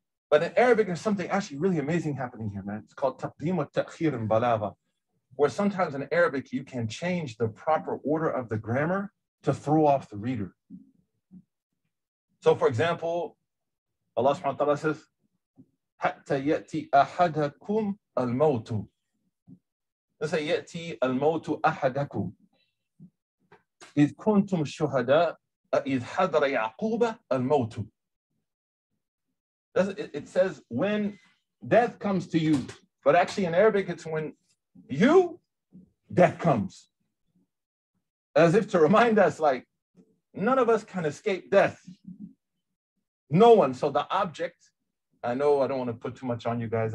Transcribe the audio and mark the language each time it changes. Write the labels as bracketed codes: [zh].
[en] But in Arabic, there's something actually really amazing happening here, man. It's called taqdim wa ta'khir in balagha, where sometimes in Arabic, you can change the proper order of the grammar to throw off the reader. So for example, Allah subhanahu wa ta'ala says, [ar] حَتَّى يَأْتِ أَحَدَكُمْ الْمَوْتُ. [en] Let's say, [ar] يَأْتِ الْمَوْتُ أَحَدَكُمْ إِذْ كُنْتُمْ شُهَدَاءَ إِذْ حَضَرَ يَعْقُوبَ الْمَوْتُ. [en] It says, when death comes to you. But actually in Arabic, it's when you, death comes. As if to remind us, like, none of us can escape death. No one. So the object, I know I don't want to put too much on you guys.